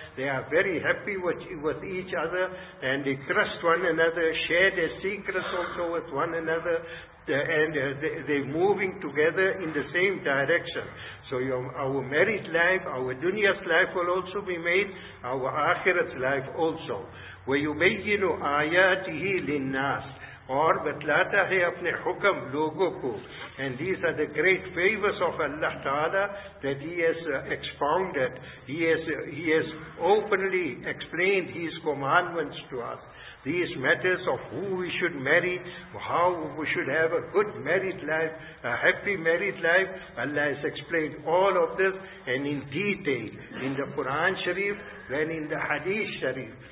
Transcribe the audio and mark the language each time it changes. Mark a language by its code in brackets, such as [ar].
[en] They are very happy with each other, and they trust one another, share their secrets also with one another, and they're moving together in the same direction. So our married life, our dunya's life will also be made, our akhirat's life also. [ar] وَيُبَيِّنُ آيَاتِهِ لِلنَّاسِ [ur] اور بتلاتا ہے اپنے حکم لوگوں کو. [en] And these are the great favors of Allah Ta'ala that He has expounded. He has openly explained His commandments to us. These matters of who we should marry, how we should have a good married life, a happy married life, Allah has explained all of this and in detail in the Quran Sharif, then in the Hadith Sharif.